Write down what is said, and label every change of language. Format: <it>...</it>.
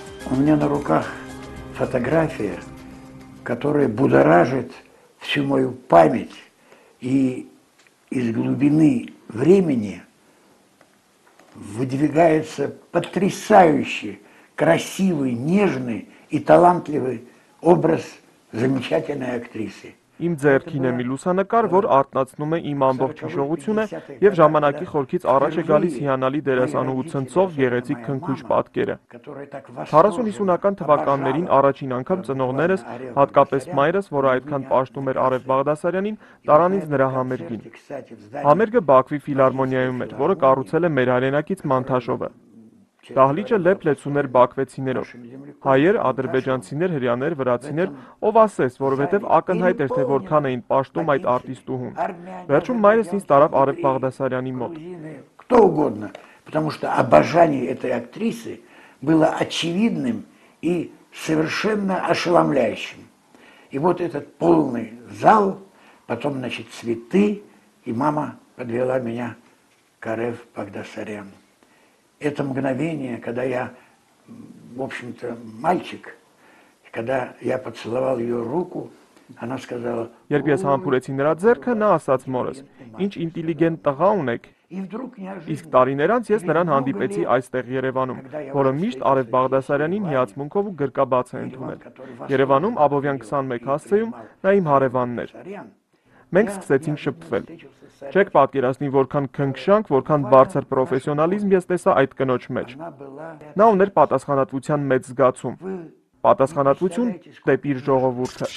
<ru>У меня на руках фотография, которая будоражит всю мою память. И из глубины времени выдвигается потрясающий, красивый, нежный и талантливый образ замечательной актрисы.</ru> <hy>Իմ ձեռքին է մի լուսանկար, որ արտնացնում է իմ ամբողջ հիշողությունը եւ ժամանակի խորքից առաջ է գալիս հիանալի դերասանուհու ցնցով գեղեցիկ քնքուշ պատկերը։ 40-50-ական թվականներին առաջին անգամ ծնողներս, հատկապես մայրս, որ այդքան պաշտում էր Արև Բաղդասարյանին, տարան ինձ նրա համերգին։ Համերգը Բաքվի ֆիլհարմոնիայում էր, որը կառուցել է մեր հայրենակից Մանթաշովը։ Դահլիճը լեփլեցուներ բաքվեցիներով։ Հայեր, ադրբեջանցիներ, հրեաներ, վրացիներ, ով ասես, որովհետև ակնհայտ էր, թե որքան էին պաշտում այդ արտիստուհուն։ Վերջում մայրս ինձ տարավ Արև Բաղդասարյանի մոտ։</hy> <ru>Кто угодно, потому что обожание этой актрисы было очевидным и совершенно ошеломляющим. И вот этот полный зал, потом, значит, цветы, и мама подвела меня к Арев Багдасаряну. Это мгновение, когда я, в общем-то, мальчик, когда я поцеловал ее руку, она сказала:</ru> <hy>«Երբ ես համբուրեցի նրա ձեռքը, նա ասաց մորս. Ինչ ինտելիգենտ տղա ունեք»։ Իսկ տարիներ անց ես նրան հանդիպեցի այստեղ Երևանում, որը միշտ Արև Բաղդասարյանին հիացմունքով ու գրկաբաց է ընդունել։ Երևանում Աբովյան 21 հասցեում նա իմ հարևանն էր։ Մենք սկսեցինք շփվել։ Չեք պատկերացնի, որքան քնքշանք, որքան բարձր պրոֆեսիոնալիզմ ես տեսա այդ կնոջ մեջ։ Նա ուներ պատասխանատվության մեծ զգացում։ Պատասխանատվություն դեպի իր ժողովուրդը։</hy>